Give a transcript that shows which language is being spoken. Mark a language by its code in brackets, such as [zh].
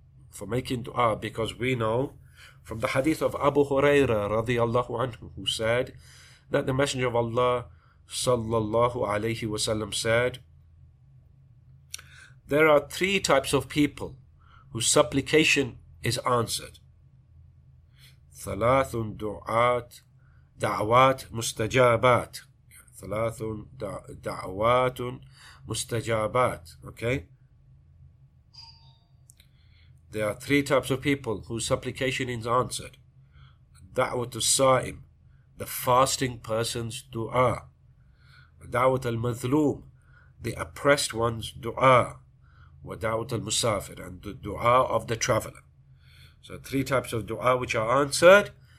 [en] For making dua, because we know from the hadith of Abu Huraira radiallahu anhu, who said that the Messenger of Allah sallallahu alayhi wa sallam said, there are three types of people whose supplication is answered. [ar] ثلاثٌ دعات دعوات مستجابات ثلاثٌ دعوات مستجابات. [en] Okay? There are three types of people whose supplication is answered. [ar] دعوة الصائم, [en] the fasting person's dua. [ar] دعوة المظلوم, [en] the oppressed one's dua. [ar] ودعوة المسافر, [en] and the dua of the traveler. So three types of dua which are answered.